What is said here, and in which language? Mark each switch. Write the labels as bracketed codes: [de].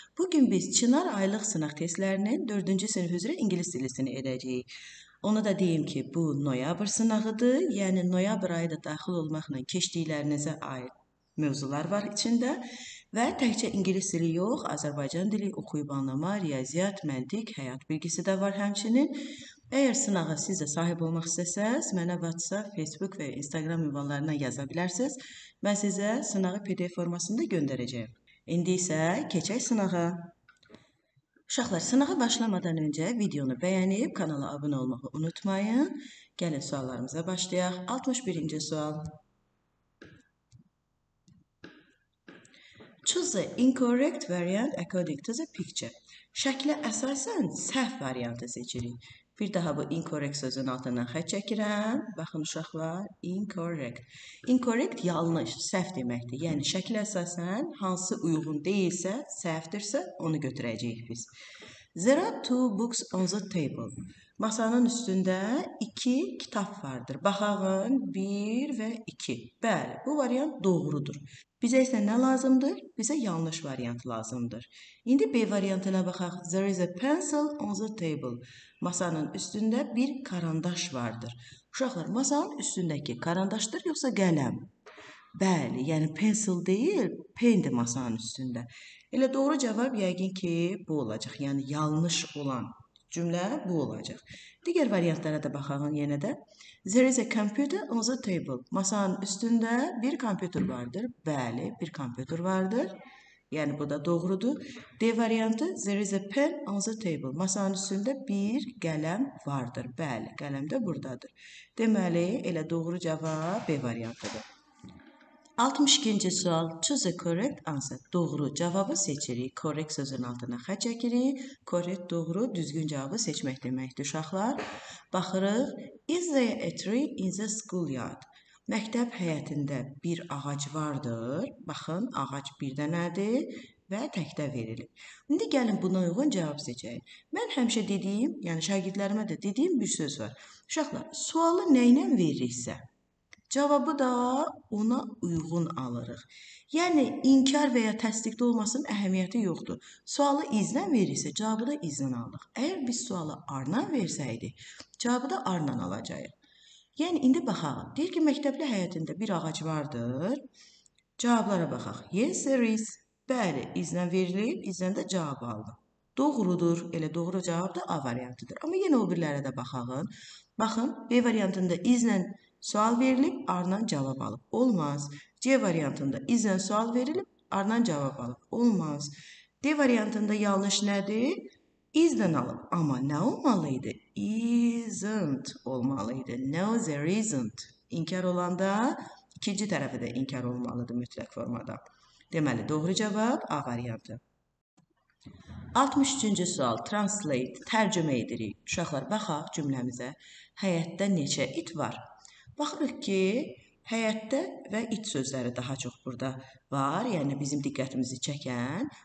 [az] Bugün biz Çınar aylıq sınaq testlərinin 4-cü sinif üzrə ingilis dilisini edəcəyik. Onu da deyim ki, bu noyabr sınağıdır. Yəni noyabr ayı da daxil olmaqla keçdiklərinizə aid mövzular var içində və təkcə ingilis dili yox, Azərbaycan dili, oxuyub anlama, riyaziyyat, məntiq, həyat bilgisi də var həmçinin. Əgər sınağa siz də sahib olmaq istəsəz, mənə WhatsApp, Facebook və Instagram ünvanlarına yaza bilərsiniz. Mən sizə sınağı PDF formasında göndərəcəyəm. İndi isə keçək sınağa. Uşaqlar, sınağa başlamadan öncə videonu bəyənib kanala abunə olmağı unutmayın. Gəlin suallarımıza başlayaq. 61-ci sual. [en] Choose the incorrect variant according to the picture. [az] Şəklə əsasən səhv variantı seçirik. Bir daha bu incorrect sözünün altından xətt çəkirəm. Baxın uşaqlar, incorrect. Incorrect yanlış, səhv deməkdir. Yəni şəklə əsasən hansı uyğun deyilsə, səhvdirsə onu götürəcəyik biz. [en] There are two books on the table. [az] Masanın üstündə iki kitab vardır. Baxağın, bir və iki. Bəli, bu variant doğrudur. Bizə isə nə lazımdır? Bizə yanlış variant lazımdır. İndi B variantına baxaq. [en] There is a pencil on the table. [az] Masanın üstündə bir karandaş vardır. Uşaqlar, masanın üstündəki karandaşdır yoxsa qələm? Bəli, yəni pencil deyil, pendir masanın üstündə. Elə doğru cavab yəqin ki, bu olacaq. Yəni yanlış olan cümlə bu olacaq. Digər variantlara da baxaq yenə də. [en] There is a computer on the table. [az] Masanın üstündə bir kompüter vardır. Bəli, bir kompüter vardır. Yəni bu da doğrudur. D variantı. [en] There is a pen on the table. [az] Masanın üstündə bir qələm vardır. Bəli, qələm də buradadır. Deməli, elə doğru cavab B variantıdır. 62-ci sual. [en] Choose a correct answer. [az] Doğru cavabı seçirik. Correct sözünün altına xətt çəkirik. Correct doğru, düzgün cavabı seçmək deməkdir uşaqlar. Baxırıq. [en] Is there a tree in the schoolyard? [az] Məktəb həyətində bir ağac vardır. Baxın, ağac bir dənədir və təkdə verilib. İndi gəlin buna uyğun cavab seçək. Mən həmişə dediyim, yəni şagirdlərimə də dediyim bir söz var. Uşaqlar, sualı nə ilə veririksə? Cavabı da ona uyğun alırıq. Yəni, inkar və ya təsdiqdə olmasın əhəmiyyəti yoxdur. Sualı izlən verirsə, cavabı da izlən alırıq. Əgər biz sualı arna versəydik, cavabı da arna alacaq. Yəni, indi baxaq. Deyir ki, məktəbli həyətində bir ağac vardır. Cavablara baxaq. [en] Yes, there is. [az] Bəli, izlən verilib, izlən də cavabı aldı. Doğrudur, elə doğru cavab da A variantıdır. Amma yenə o birlərə də baxaqın. Baxın, B variantında izlən sual verilib, ardından cavab alıb. Olmaz. C variantında izlən sual verilib, ardından cavab alıb. Olmaz. D variantında yanlış nədir? İzlən alıb. Amma nə olmalıydı? Isn't olmalıydı. [en] No, there isn't. [az] İnkar olanda ikinci tərəfi də inkar olmalıdır mütləq formada. Deməli, doğru cavab A variantı. 63-cü sual. Translate. Tərcümə edirik. Uşaqlar, baxaq cümləmizə. Həyətdə neçə it var? Baxırıq ki, həyətdə və it sözləri daha çox burada var, yəni bizim diqqətimizi çəkən.